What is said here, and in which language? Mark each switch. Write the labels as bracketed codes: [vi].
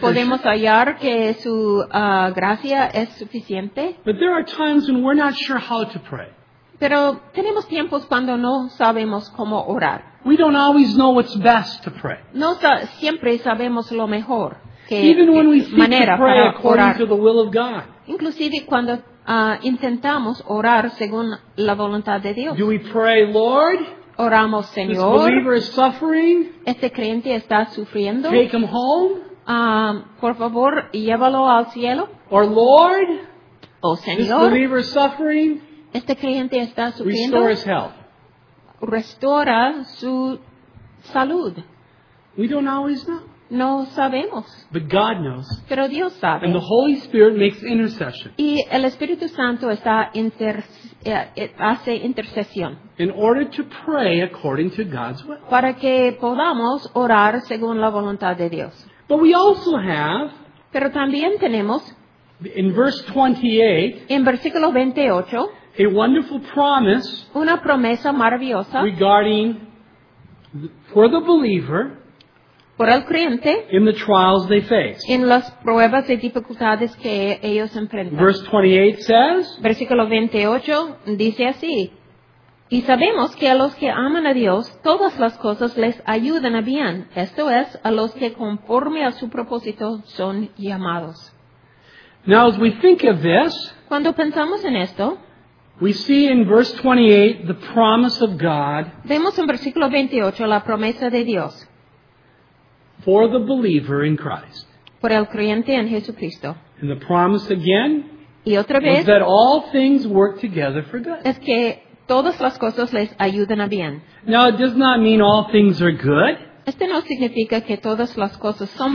[es] Podemos hallar que su gracia es suficiente. [en] But there are times when we're not sure how to pray. [es] Pero tenemos tiempos cuando no sabemos cómo orar. [en] We don't always know what's best to pray. [es] No siempre sabemos lo mejor que [en] Even when we [es] manera [en] to pray [es] para [en] according [es] orar. [en] To the will of God. [es] Inclusive cuando intentamos orar según la voluntad de Dios. [en] Do we pray, Lord? [es] Oramos, Señor. [en] This believer is suffering. [es] Este creyente está sufriendo. [en] Take him home. [es] Por favor, llévalo al cielo. [en] Or Lord? [es] Oh, Señor. [en] This believer is suffering. [es] Este creyente está sufriendo. [en] Restore his health. [es] Restaura su salud. [en] We don't always know. [es] No sabemos. [en] But God knows. [es] Pero Dios sabe. [en] And the Holy Spirit makes intercession. [es] Y el Espíritu Santo está hace intercesión. [en] In order to pray according to God's will. [es] Para que podamos orar según la voluntad de Dios. [en] But we also have. [es] Pero también tenemos. [en] In verse 28. [es] En versículo 28. [en] A wonderful promise, [es] una promesa maravillosa, [en] regarding for the believer, [es] por el creyente, [en] in the trials they face, [es] en las pruebas y dificultades que ellos enfrentan. [en] Verse 28 says, [es] versículo 28 dice así, y sabemos que a los que aman a Dios todas las cosas les ayudan a bien, esto es, a los que conforme a su propósito son llamados. [en] Now, as we think of this, [es] cuando pensamos en esto. [en] We see in verse 28 the promise of God. [es] Vemos en versículo 28 la promesa de Dios. [en] For the believer in Christ. [es] Por el creyente en Jesucristo. [en] And the promise again. [es] Y otra vez. [en] Is that all things work together for good. [es] Es que todas las cosas les ayudan a bien. [en] Now it does not mean all things are good. [es] Este no significa que todas las cosas son